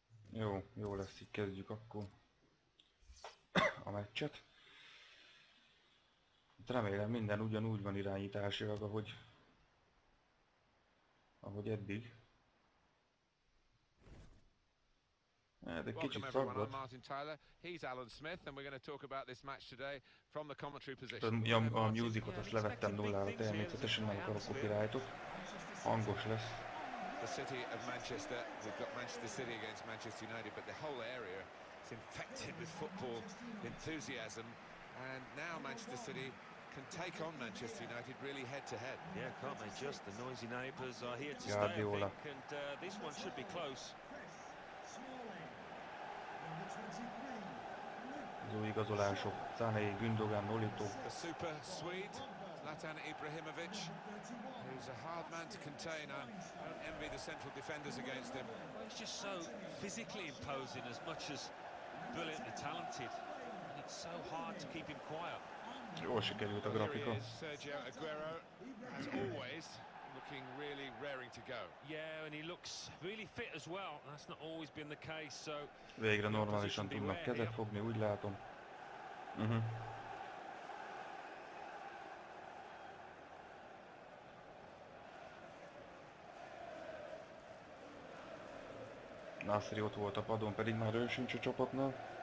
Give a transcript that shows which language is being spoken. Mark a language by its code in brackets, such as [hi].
[hu] Jó, jó lesz, így kezdjük akkor a meccset. Remélem minden ugyanúgy van irányításilag, ahogy eddig. [en] Welcome everyone, I'm Martin Tyler, he's Alan Smith, and we're going to talk about this match today from the commentary position. [hu] A musicot azt levettem nullára, természetesen nem akarok copyrightot. Hangos lesz. [en] The city of Manchester, we've got Manchester City against Manchester United, but the whole area is infected with football enthusiasm, and now Manchester City can take on Manchester United really head to head. Yeah, can't they just, the noisy neighbours are here to stay, I think, and this one should be close. [hu] Az új igazolások, Sané, Gündogan, Nolito. [en] A super Swede, Zlatan Ibrahimovic, who's a hard man to contain. I don't envy the central defenders against him. He's just so physically imposing as much as brilliantly talented. And it's so hard to keep him quiet. [hu] Jó sikerült a grafika. [en] Sergio Aguero, as always, looking really raring to go. Yeah, and he looks really fit as well. That's not always been the case, so... [hu] Végre normálisan tudnak kezet fogni, úgy látom. Mhm. Nasri ott volt a padon, pedig már ő sincs a csapatnál.